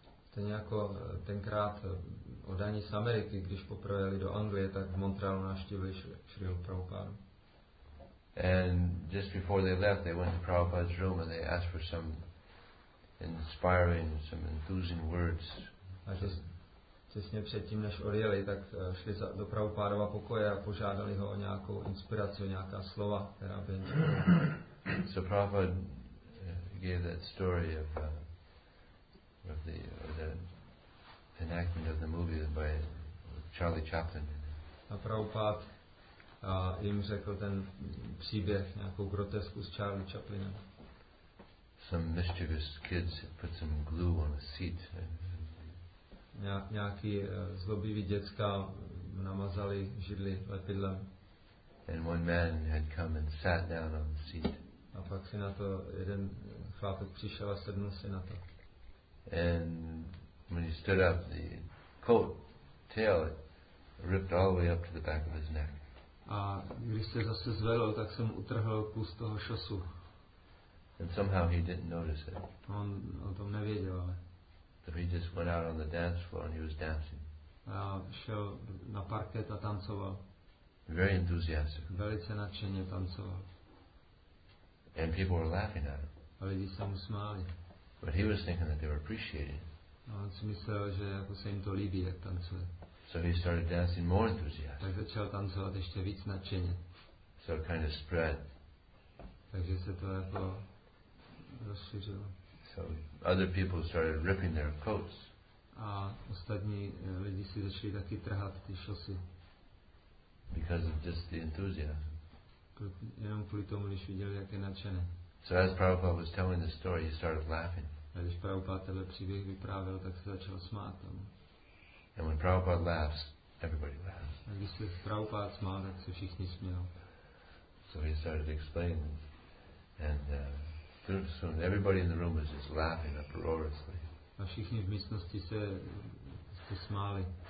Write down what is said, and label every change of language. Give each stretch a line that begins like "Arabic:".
Czech: Stejně jako tenkrát odaní z Ameriky, když poprvé jeli do Anglie, tak v Montrealu navštívili Srila Prabhupádu.
English: And just before they left, they went to Prabhupada's room and they asked for some inspiring, some enthusing words.
Czech: A těsně předtím, než odjeli, tak šli do Prabhupádova pokoje a požádali ho o nějakou inspiraci, o nějaká slova, která by
English: So Prabhupada gave that story of the enactment of the movie by Charlie Chaplin.
Czech: A Prabhupád jim řekl ten příběh, nějakou grotesku s Charlie Chaplinem.
English: Some mischievous kids put some glue on a seat.
Czech: Nějaký zlobivý děcka namazali židli lepidlem.
English: And one man had come and sat down on the seat.
Czech: A pak si na to jeden chlápek přišel a sednul si na to.
English: And when he stood up, the coat tail ripped all the way up to the back of his neck.
Czech: A když se zase zvedl, tak jsem utrhl kus toho šosu.
English: And somehow he didn't notice it.
Czech: On o tom nevěděl, ale.
English: So he just went out on the dance floor and he was dancing.
Czech: A šel na parket a tancoval.
English: Very enthusiastic.
Czech: Velice nadšeně tancoval.
English: And people were laughing at him.
Czech: A lidi se mu smáli.
English: But he was thinking that they were appreciating.
Czech: A on si myslel, že jako se jim to líbí, jak tancuje.
English: So he started dancing more enthusiastically.
Czech: Tak začal tancovat ještě víc nadšeně.
English: So it kind of spread.
Czech: Takže se to jako rozšířilo.
English: So other people started ripping their coats.
Czech: A ostatní lidi si začali taky trhat ty šosy.
English: Because of just the enthusiasm.
Czech: Jenom kvůli tomu, když viděli, jak je nadšené.
English: So as Prabhupada was telling the story, he started laughing.
Czech: A když Prabhupada tenhle příběh vyprávěl, tak se začal smát.
English: And when Prabhupada laughs, everybody laughs.
Czech: A když se Prabhupada smál, tak se všichni smějí.
English: So he started explaining, and soon everybody in the room was just laughing uproariously.
Czech: A všichni v místnosti se smáli.